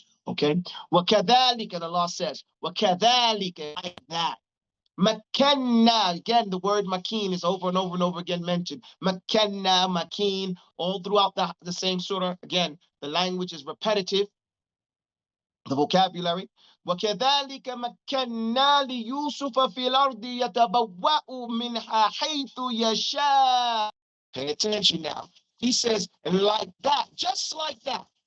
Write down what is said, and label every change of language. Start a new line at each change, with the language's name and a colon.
English: Okay, وكذلك, and Allah says, وكذلك, like that. مكنّا, again, the word makin is over and over and over again mentioned. مكنّا, makin, all throughout the same surah. Again, the language is repetitive, the vocabulary.
Arabic: وكذلك مكنا ليوسف في الأرض يتبوأ منها حيث يشاء.
English: Pay attention now. He says, and like that, just like that.